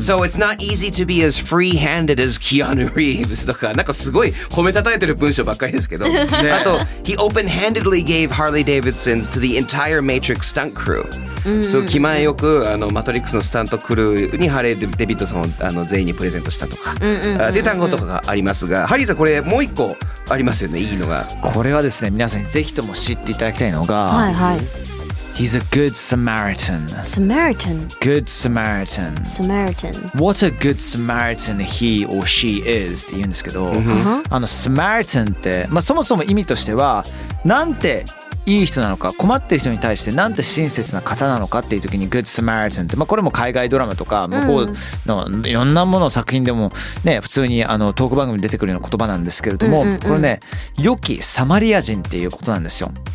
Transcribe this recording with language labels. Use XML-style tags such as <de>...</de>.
<en>So it's not easy to be as free handed as Keanu Reeves とか。</en> <ja>なんかすごい褒めたたえてる文章ばっかりですけど。</ja> <en>あと、he open handedly gave Harley Davidson to the entire Matrix stunt crew.</en> <ja>So, 気前よくあのマトリックスのスタントクルーにハレーデビッドソンをあの全員にプレゼントしたとか、で単語とかがありますが、ハリーさんこれもう一個ありますよね。いいのがこれはですね、皆さんぜひとも知っていただきたいのが、はいはい、</ja> <en>He's a good Samaritan. Samaritan. Good Samaritan. Samaritan. What a good Samaritan he or she is.</en> <ja>って言うんですけど、あの Samaritan って、まあ、そもそも意味としてはなんていい人なのか、困ってる人に対してなんて親切な方なのかっていう時に Good Samaritan って、まあ、これも海外ドラマとか向こうのいろんなもの作品でもね、普通にあのトーク番組に出てくるような言葉なんですけれども、これね、良きサマリア人っていうことなんですよ。</ja>